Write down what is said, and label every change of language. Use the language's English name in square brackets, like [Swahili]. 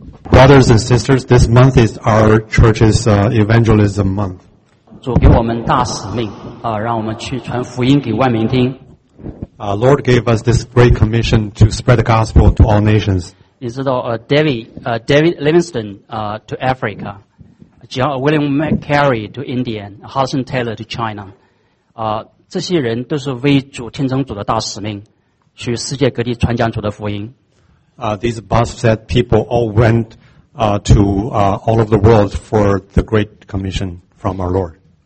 [English] Brothers and sisters, this month is our church's evangelism month. [Chinese] 主给我们大使命，让我们去传福音给万民听。 [English] Lord gave us this great commission to spread the gospel to all nations. [Chinese] 你知道, [English] David Livingston to Africa, William McCarry to India, Hudson Taylor to China. [Chinese] 这些人都是为主天成主的大使命，去世界各地传讲主的福音。 [English] These Bosset people all went to all of the world for the great commission from our Lord.